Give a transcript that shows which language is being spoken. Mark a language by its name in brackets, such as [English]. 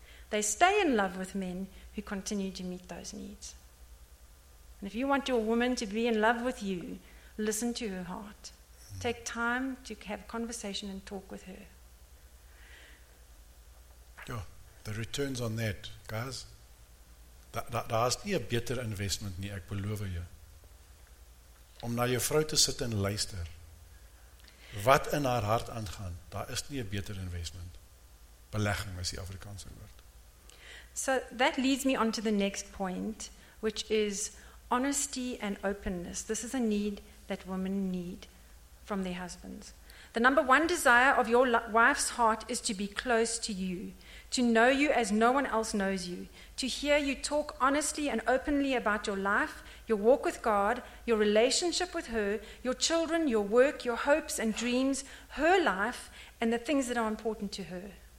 [English] They stay in love with men who continue to meet those needs. And if you want your woman to be in love with you, listen to her heart. Take time to have conversation and talk with her. Oh, the returns on that, guys. [Afrikaans] Daar is nie 'n beter investment nie, ek beloof jou. Om na jou vrou te sit en luister, wat in haar hart aangaan, daar is nie 'n beter investment. Belegging is die Afrikaanse woord. [English] So that leads me on to the next point, which is honesty and openness. This is a need that women need from their husbands. The number one desire of your wife's heart is to be close to you, to know you as no one else knows you, to hear you talk honestly and openly about your life, your walk with God, your relationship with her, your children, your work, your hopes and dreams, her life, and the things that are important to her.